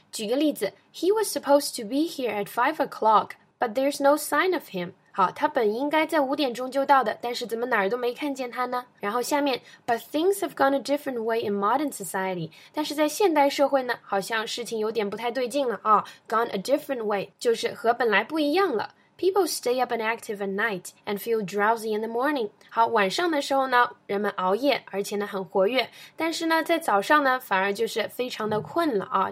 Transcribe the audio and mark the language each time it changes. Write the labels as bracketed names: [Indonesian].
[Chinese] 举个例子 [English] ,he was supposed to be here at 5 o'clock, but there's no sign of him. [Chinese] 好，他本应该在五点钟就到的，但是怎么哪儿都没看见他呢？然后下面 [English] ,but things have gone a different way in modern society. [Chinese] 但是在现代社会呢，好像事情有点不太对劲了啊。 [English] gone a different way, [Chinese] 就是和本来不一样了。 [English] People stay up and active at night and feel drowsy in the morning. [Chinese] 好，晚上的时候呢，人们熬夜，而且呢很活跃。但是呢，在早上呢，反而就是非常的困了啊。